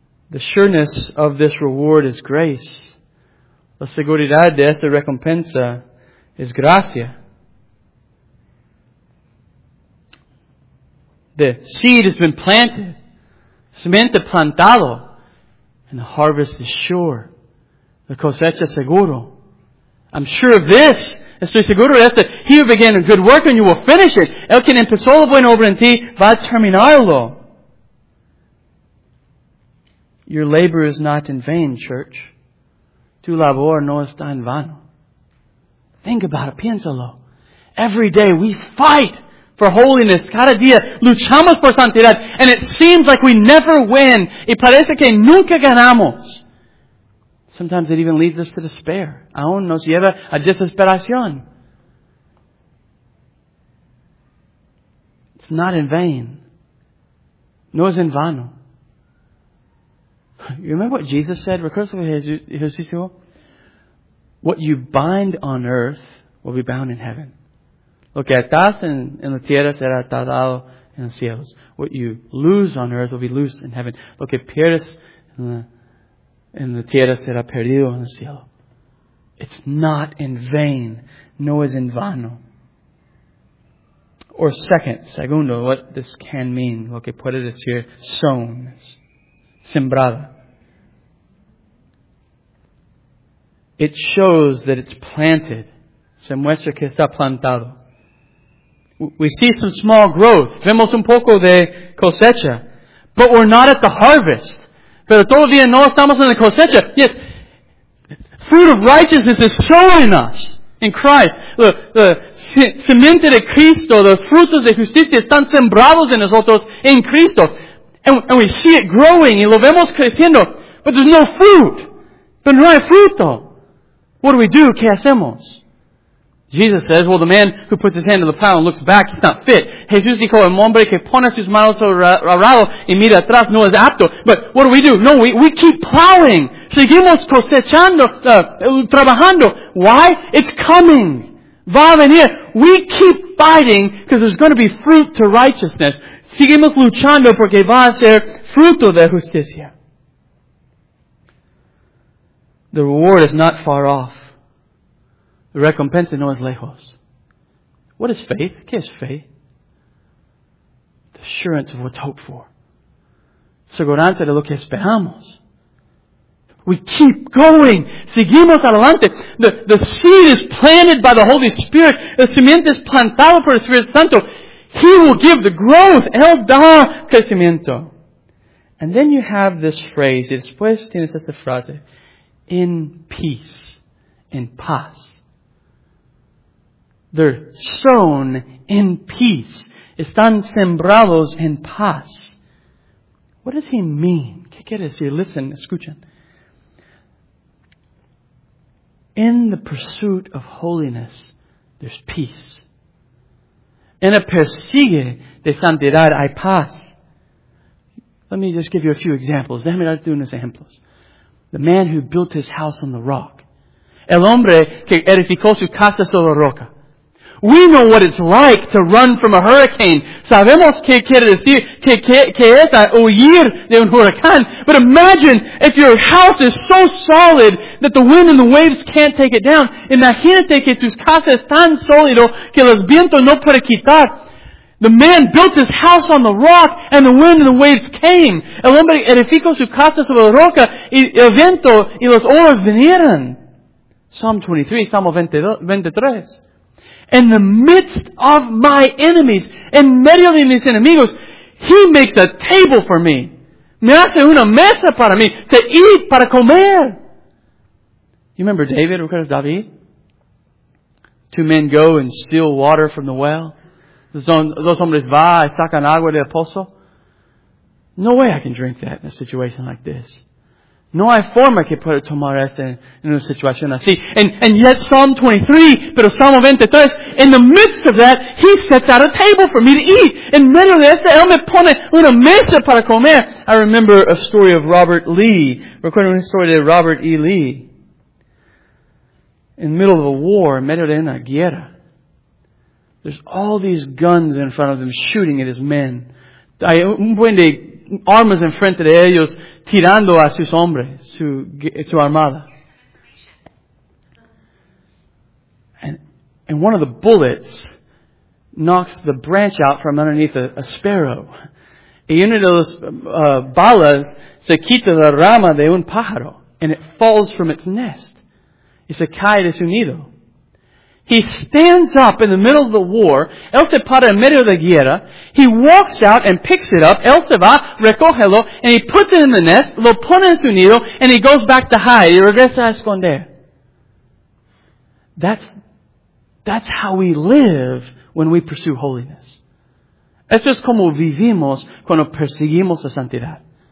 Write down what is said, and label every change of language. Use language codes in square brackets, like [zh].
[en] The sureness of this reward is grace. [es] La seguridad de esta recompensa is gracia. [en] The seed has been planted, [pt] semente plantado, [en] and the harvest is sure. [es] La cosecha seguro. [en] I'm sure of this. [es] Estoy seguro de esto. [en] He who began a good work and you will finish it. [es] El que empezó la buena obra en ti va a terminarlo. [en] Your labor is not in vain, church. [es] Tu labor no está en vano. [en] Think about it. [es] Piénsalo. [en] Every day we fight for holiness. [es] Cada día luchamos por santidad. [en] And it seems like we never win. [es] Y parece que nunca ganamos. [en] Sometimes it even leads us to despair. [es] Aún nos lleva a desesperación. [en] It's not in vain. [es] No es en vano. [en] You remember what Jesus said? [es] Recuerda lo que Jesús dijo? [en] What you bind on earth will be bound in heaven. [es] Lo que atas en la tierra será atado en los cielos. [en] What you lose on earth will be loose in heaven. [es] Lo que pierdes en la en la tierra será perdido en el cielo. [en] It's not in vain. [es] No es en vano. [en] Or [es] segundo, [en] what this can mean, [es] lo que puede decir [en] sown, [es] sembrada. [en] It shows that it's planted. [es] Se muestra que está plantado. [en] We see some small growth. [es] Vemos un poco de cosecha. [en] But we're not at the harvest. [es] Pero todavía no estamos en la cosecha. [en] Yes. Fruit of righteousness is showing us in Christ. [es] The semente de Cristo, the frutos de justicia están sembrados en nosotros en Cristo. [en] And we see it growing [es] y lo vemos creciendo. [en] But there's no fruit. [es] Pero no hay fruto. [en] What do we do? [es] ¿Qué hacemos? [en] Jesus says, well, the man who puts his hand to the plow and looks back, he's not fit. [es] Jesús dijo, el hombre que pone sus manos sobre el arado y mira atrás no es apto. [en] But what do? No, we keep plowing. [es] Seguimos cosechando, trabajando. [en] Why? It's coming. [es] Va a venir. [en] We keep fighting because there's going to be fruit to righteousness. [es] Seguimos luchando porque va a ser fruto de justicia. [en] The reward is not far off. [es] Recompensa no es lejos. [en] What is faith? [es] ¿Qué es fe? [en] The assurance of what's hoped for. [es] Seguranza de lo que esperamos. [en] We keep going. [es] Seguimos adelante. [en] The seed is planted by the Holy Spirit. [es] El cimiento es plantado por el Espíritu Santo. [en] He will give the growth. [es] Él da crecimiento. [en] And then you have this phrase. [es] Y después tienes esta frase. [en] In peace. In paz. They're sown in peace. [es] Están sembrados en paz. What does he mean? ¿Qué quiere decir? [en] Listen, [es] escuchen. [en] In the pursuit of holiness, there's peace. [es] En el persigue de santidad hay paz. [en] Let me just give you a few examples. [es] Déjame darte unos ejemplos. [en] The man who built his house on the rock. [es] El hombre que edificó su casa sobre roca. [en] We know what it's like to run from a hurricane. [es] Sabemos qué quiere decir, qué es huir de un huracán. [en] But imagine if your house is so solid that the wind and the waves can't take it down. [es] Imagínate que tus casas es tan sólido que los vientos no pueden quitar. [en] The man built his house on the rock and the wind and the waves came. [es] El hombre edificó su casa sobre la roca y el viento y las olas vinieron. [en] Psalm 23, [es] Salmo 23. [en] In the midst of my enemies, [es] en medio de mis enemigos, [en] he makes a table for me. [es] Me hace una mesa para mí, [en] to eat, [es] para comer. [en] You remember David, [es] recuerdas David? [en] Two men go and steal water from the well. [es] Dos hombres va y sacan agua del pozo. [en] No way I can drink that in a situation like this. [es] No hay forma que pueda tomar esto en una situación así. [en] And yet Psalm 23, [es] pero Salmo 23, [en] in the midst of that, he sets out a table for me to eat. [es] En medio de esto, él me pone una mesa para comer. [en] I remember a story of Robert Lee. [es] Recuerdo una historia de Robert E. Lee. [en] In the middle of a war, [es] en medio de una guerra, [en] there's all these guns in front of them shooting at his men. [es] Hay un buen de armas en frente de ellos, tirando a sus hombres, su armada. [en] And one of the bullets knocks the branch out from underneath a sparrow. [es] Y una de las balas se quita la rama de un pájaro. [en] And it falls from its nest. [es] Y se cae de su nido. [en] He stands up in the middle of the war. [es] Él se para en medio de la guerra. [en] He walks out and picks it up. [es] Él se va, recógelo, [en] and he puts it in the nest, [es] lo pone en su nido, [en] and he goes back to hide. [es] Y regresa a esconder. [en] That's how we live when we pursue holiness. [es] Eso es como vivimos cuando perseguimos la santidad.